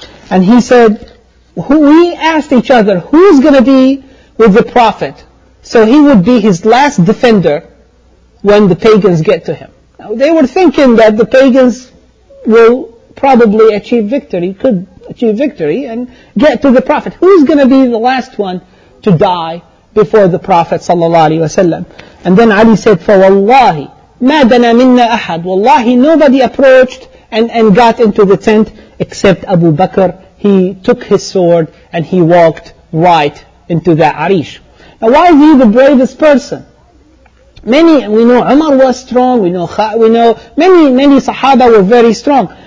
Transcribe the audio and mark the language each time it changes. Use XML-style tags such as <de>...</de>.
<en>And he said, we asked each other, who's going to be with the Prophet? So he would be his last defender when the pagans get to him. Now, they were thinking that the pagans will probably achieve victory, could achieve victory and get to the Prophet. Who's going to be the last one to die before the Prophet sallallahu alaihi wasallam? And then Ali said,</en> <ar>فَوَاللَّهِ مَا دَنَا مِنَّا أَحَدٍ.</ar> <en>Wallahi, nobody approached and got into the tent except Abu Bakr. He took his sword and he walked right into that arish. Now why is he the bravest person? Many, we know Umar was strong, we know many, many Sahaba were very strong.</en>